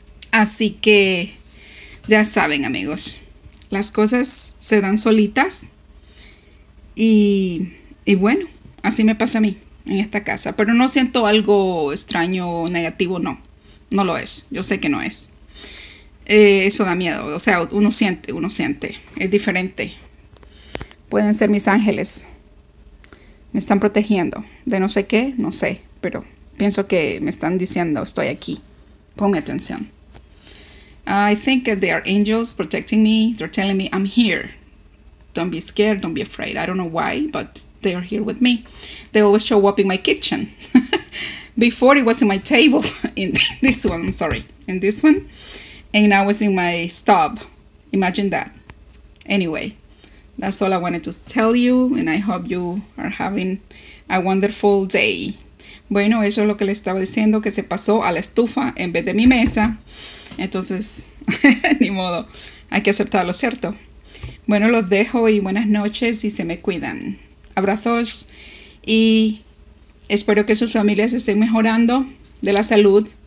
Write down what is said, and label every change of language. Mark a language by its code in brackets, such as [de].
[es] Así que ya saben, amigos. Las cosas se dan solitas y bueno, así me pasa a mí en esta casa, pero no siento algo extraño o negativo, no, no lo es, yo sé que no es. Eso da miedo, o sea, uno siente, es diferente. Pueden ser mis ángeles. Me están protegiendo de no sé qué, no sé, pero pienso que me están diciendo estoy aquí. Ponme atención. [en] I think that they are angels protecting me. They're telling me I'm here. Don't be scared, don't be afraid. I don't know why, but they are here with me. They always show up in my kitchen. Before it was in my table. In this one, I'm sorry. In this one. And now it's in my stove. Imagine that. Anyway, that's all I wanted to tell you. And I hope you are having a wonderful day. [es] Bueno, eso es lo que le estaba diciendo, que se pasó a la estufa en vez de mi mesa. Entonces, ni modo, hay que aceptarlo, ¿cierto? Bueno, los dejo y buenas noches y se me cuidan. Abrazos y espero que sus familias estén mejorando de la salud.